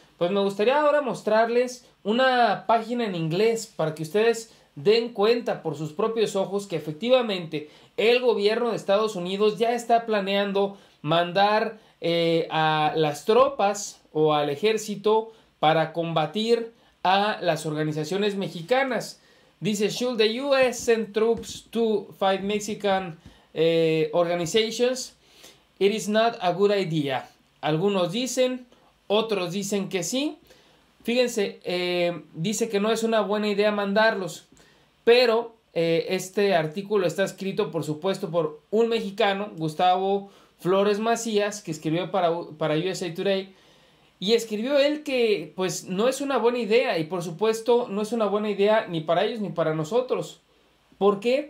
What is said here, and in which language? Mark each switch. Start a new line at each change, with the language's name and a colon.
Spanish: Pues me gustaría ahora mostrarles una página en inglés para que ustedes den cuenta por sus propios ojos que efectivamente el gobierno de Estados Unidos ya está planeando mandar a las tropas o al ejército para combatir a las organizaciones mexicanas. Dice,
English: should the US send troops to fight Mexican organizations, it is not a good idea.
Spanish: Algunos dicen, otros dicen que sí. Fíjense, dice que no es una buena idea mandarlos, pero este artículo está escrito, por supuesto, por un mexicano, Gustavo Flores Macías, que escribió para USA Today, y escribió él que pues no es una buena idea, y por supuesto no es una buena idea ni para ellos ni para nosotros. ¿Por qué?